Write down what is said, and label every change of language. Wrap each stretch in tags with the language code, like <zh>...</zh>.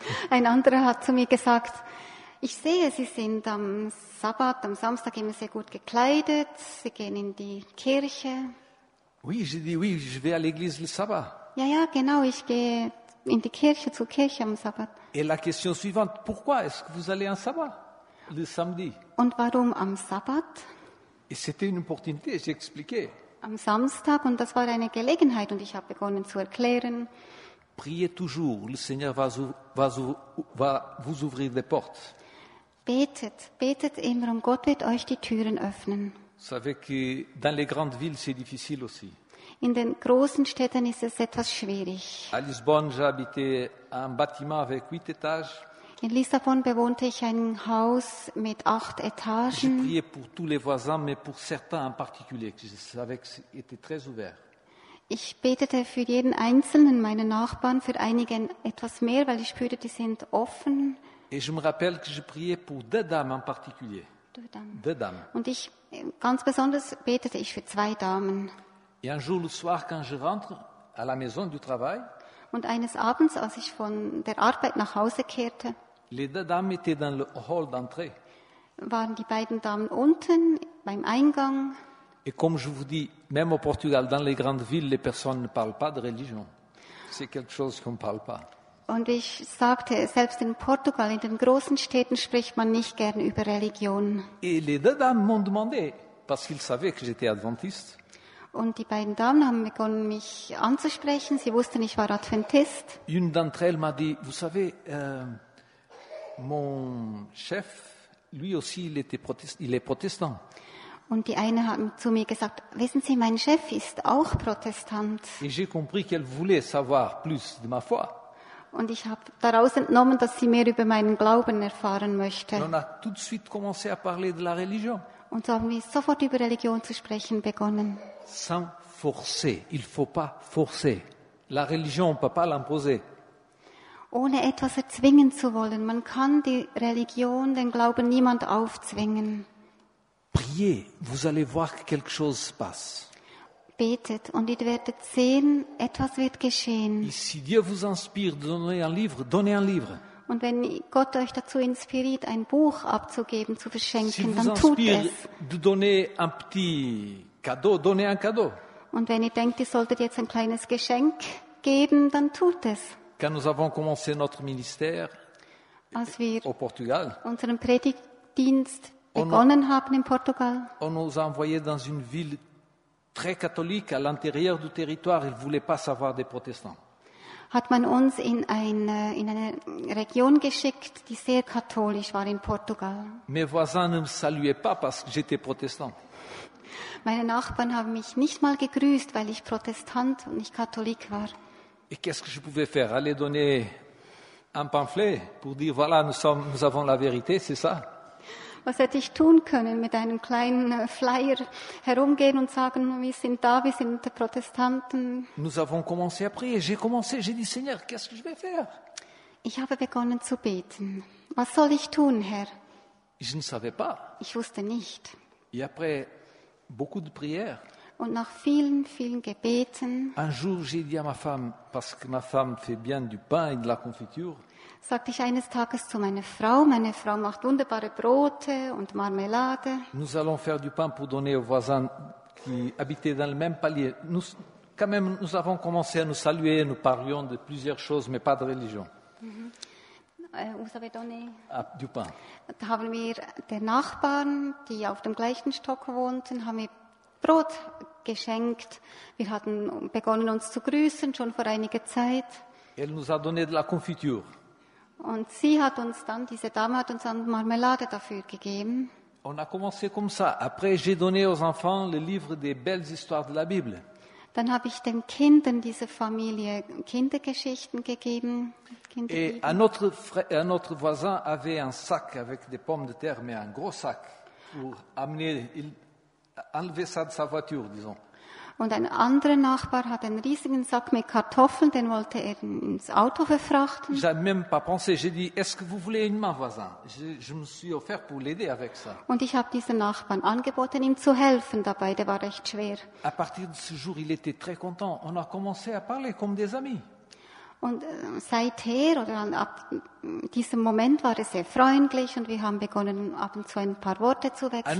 <de>Ein anderer hat zu mir gesagt, ich sehe, Sie sind am Sabbat, am Samstag immer sehr gut gekleidet, Sie gehen in die Kirche.</de> <fr>Oui, j'ai dit, oui, je vais à l'église le sabbat.</fr> <de>Ja, ja, genau, ich gehe in die Kirche, zur Kirche am Sabbat.</de> <fr>Et la question suivante, pourquoi est-ce que vous allez en sabbat, le samedi?</fr> <de>Und warum am Sabbat?</de> <fr>Et c'était une opportunité, j'ai expliqué.</fr> <de>Am Samstag, und das war eine Gelegenheit, und ich habe begonnen zu erklären.</de> <fr>Priez toujours, le Seigneur va vous ouvrir des portes.</fr> <de>Betet, betet immer, und Gott wird euch die Türen öffnen.</de> <fr>Vous savez que dans les grandes villes, c'est difficile aussi.</fr> <de>In den großen Städten ist es etwas schwierig.</de> <fr>À Lisbonne, j'ai habité un bâtiment avec 8 étages.</fr> <de>In Lissabon bewohnte ich ein Haus mit 8 Etagen.</de> <fr>J'ai prié pour tous les voisins, mais pour certains en particulier, je savais que c'était très ouvert.</fr> <de>Ich betete für jeden einzelnen meiner Nachbarn, für einige etwas mehr, weil ich spürte, die sind offen.</de> <fr>Et je me rappelle que je priais pour deux dames en particulier. Deux dames.</fr> <de>Und ich ganz besonders betete ich für zwei Damen.</de> <fr>Et un jour le soir, quand je rentre à la maison du travail,</fr> <de>und eines Abends, als ich von der Arbeit nach Hause kehrte,</de> <fr>les deux dames étaient dans le hall d'entrée.</fr> <de>Waren die beiden Damen unten beim Eingang.</de> <fr>Et comme je vous dis, même au Portugal, dans les grandes villes, les personnes ne parlent pas de religion. C'est quelque chose qu'on ne parle pas.</fr> <de>Und ich sagte, selbst in Portugal, in den großen Städten, spricht man nicht gern über Religion.</de> <fr>Et les deux dames m'ont demandé, parce qu'ils savaient que j'étais adventiste.</fr> <de>Und die beiden Damen haben begonnen, mich anzusprechen. Sie wussten, ich war Adventist.</de> <fr>Une d'entre elles m'a dit, vous savez, mon chef, lui aussi, il est protestant.</fr> <de>Und die eine hat zu mir gesagt, wissen Sie, mein Chef ist auch Protestant.</de> <fr>Et j'ai compris qu'elle voulait savoir plus de ma foi.</fr> <de>Und ich habe daraus entnommen, dass sie mehr über meinen Glauben erfahren möchte.</de> <fr>Et on a tout de suite commencé à parler de la religion.</fr> <de>Und so haben wir sofort über Religion zu sprechen begonnen.</de> <fr>Sans forcer, il faut pas forcer. La religion, on peut pas l'imposer.</fr> <de>Ohne etwas erzwingen zu wollen, man kann die Religion, den Glauben niemand aufzwingen.</de> <fr>Priez, vous allez voir que quelque chose se passe.</fr> <de>Betet und ihr werdet sehen, etwas wird geschehen.</de> <fr>Et si Dieu vous inspire, donnez un livre.</fr> <de>Und wenn Gott euch dazu inspiriert, ein Buch abzugeben, zu verschenken, si dann tut es.</de> <fr>Si vous inspire de donner un petit cadeau, donnez un cadeau.</fr> <de>Und wenn ihr denkt, ihr solltet jetzt ein kleines Geschenk geben, dann tut es.</de> <fr>Quand nous avons commencé notre ministère au Portugal,</fr> <de>unseren Predigtdienst begonnen haben in Portugal,</de> <fr>on nous a envoyé dans une ville très catholique à l'intérieur du territoire. Ils ne voulaient pas savoir des protestants.</fr> <de>Hat man uns in eine Region geschickt, die sehr katholisch war in Portugal.</de> <fr>Mes voisins ne me saluaient pas parce que j'étais protestant.</fr> <de>Meine Nachbarn haben mich nicht mal gegrüßt, weil ich Protestant und nicht Katholik war.</de> <fr>Et qu'est-ce que je pouvais faire? Aller donner un pamphlet pour dire voilà, nous avons la vérité, c'est ça?</fr> <de>Was hätte ich tun können, mit einem kleinen Flyer herumgehen und sagen, wir sind da, wir sind Protestanten?</de> <fr>Nous avons commencé à prier. J'ai commencé, j'ai dit, Seigneur, qu'est-ce que je vais faire?</fr> <de>Ich habe begonnen zu beten. Was soll ich tun, Herr?</de> <fr>Je ne savais pas.</fr> <de>Ich wusste nicht.</de> <fr>Et après beaucoup de prières.</fr> <de>Und nach vielen, vielen Gebeten.</de> <fr>Un jour, j'ai dit à ma femme, parce que ma femme fait bien du pain et de la confiture.</fr> <de>Sagte ich eines Tages zu meiner Frau macht wunderbare Brote und Marmelade.</de> <fr>Nous allons faire du pain pour donner aux voisins qui habitaient dans le même palier. Nous, quand même, nous avons commencé à nous saluer, nous parlions de plusieurs choses, mais pas de religion. Vous avez donné du pain.</fr> <de>Da haben wir den Nachbarn, die auf dem gleichen Stock wohnten, haben wir Brot geschenkt. Wir hatten begonnen uns zu grüßen schon vor einiger Zeit.</de> <fr>Elle nous a donné de la confiture.</fr> <de>Und sie hat uns dann, diese Dame hat uns dann Marmelade dafür gegeben.</de> <fr>On a commencé comme ça. Après, j'ai donné aux enfants le livre des belles histoires de la Bible.</fr> <de>Dann habe ich den Kindern dieser Familie Kindergeschichten gegeben.</de> <fr>Et un autre voisin avait un sac avec des pommes de terre, mais un gros sac pour amener, il enlever ça de sa voiture, disons.</fr> <de>Und ein anderer Nachbar hat einen riesigen Sack mit Kartoffeln, den wollte er ins Auto verfrachten.</de> <fr>J'ai même pas pensé, j'ai dit, est-ce que vous voulez une main, voisin? Je me suis offert pour l'aider avec ça.</fr> <de>Und ich habe diesem Nachbarn angeboten, ihm zu helfen dabei, der war recht schwer.</de> <fr>À partir de ce jour, il était très content. On a commencé à parler comme des amis.</fr> <de>Und seither, oder ab diesem Moment, war er sehr freundlich und wir haben begonnen, ab und zu ein paar Worte zu wechseln.</de>